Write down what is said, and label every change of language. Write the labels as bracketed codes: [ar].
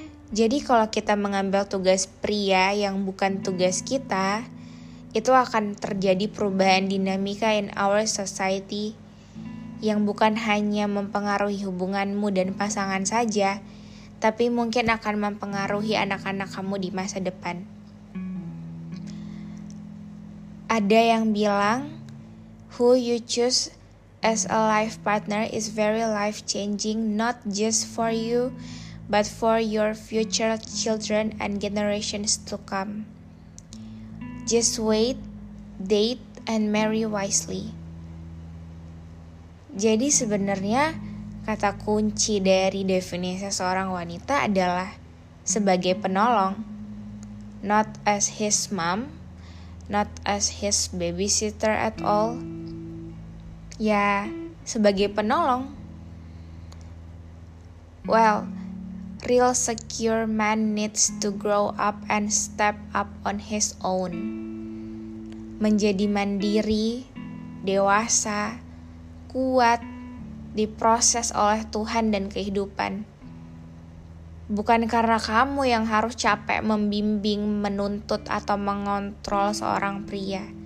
[id] Jadi kalau kita mengambil tugas pria yang bukan tugas kita, itu akan terjadi perubahan dinamika [en] in our society [id] yang bukan hanya mempengaruhi hubunganmu dan pasangan saja, tapi mungkin akan mempengaruhi anak-anak kamu di masa depan. Ada yang bilang, [en] who you choose as a life partner is very life-changing, not just for you, but for your future children and generations to come. Just wait, date, and marry wisely. [id] Jadi sebenarnya, kata kunci dari definisi seorang wanita adalah sebagai penolong, [en] not as his mom, not as his babysitter at all. [id] Ya, sebagai penolong. [en] Well, real secure man needs to grow up and step up on his own. [id] Menjadi mandiri, dewasa, kuat, diproses oleh Tuhan dan kehidupan. Bukan karena kamu yang harus capek membimbing, menuntut, atau mengontrol seorang pria.